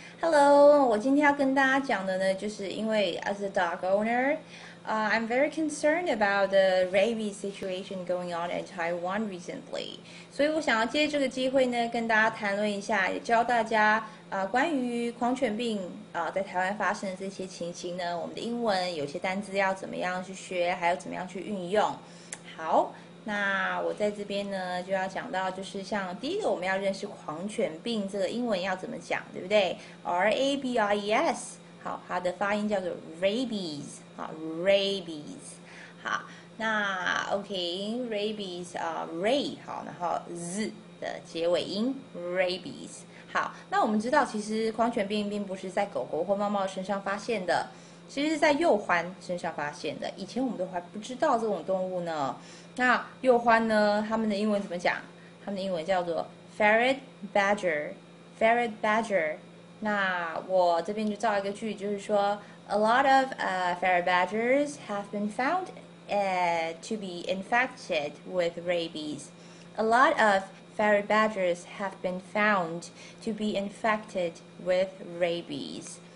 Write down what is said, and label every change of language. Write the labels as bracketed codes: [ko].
[en] Hello, [zh] 我今天要跟大家讲的呢，就是因为 [en] as a dog owner, I'm very concerned about the rabies situation going on in Taiwan recently. [zh] 所以我想要借这个机会呢，跟大家谈论一下，也教大家关于狂犬病在台湾发生的这些情形呢，我们的英文有些单字要怎么样去学，还有怎么样去运用。好。那我在这边呢，就要讲到，就是像第一个，我们要认识狂犬病这个英文要怎么讲，对不对？Rabies，好，它的发音叫做 rabies，好，rabies，好，那 OK，rabies，ray，好，然后 z 的结尾音 rabies，好，那我们知道，其实狂犬病并不是在狗狗或猫猫身上发现的。其实是在鼬獾身上发现的，以前我们都还不知道这种动物呢。那鼬獾呢，他们的英文怎么讲？他们的英文叫做 ferret badger，ferret badger。那我这边就造一个句，就是说 [en] a lot of ferret badgers have been found to be infected with rabies。 A lot of ferret badgers have been found to be infected with rabies。